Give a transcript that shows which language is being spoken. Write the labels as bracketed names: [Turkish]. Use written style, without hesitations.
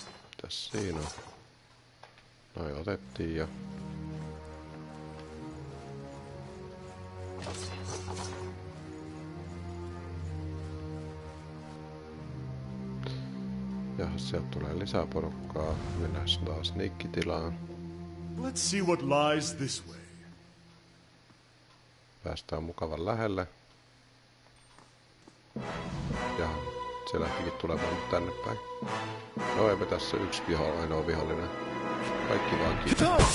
[Finnish] Mitäs siinä on? Noi otettiin jo. Jaha, sieltä tulee lisää porukkaa. Mennään taas niikkitilaan. [English] Let's see what lies this way. [Finnish] Päästään mukavan lähelle. Jaha, se lähtikin tulemaan nyt tänne päin. No eipä tässä yksi viho, ainoa vihollinen. Kaikki vaan kiinni.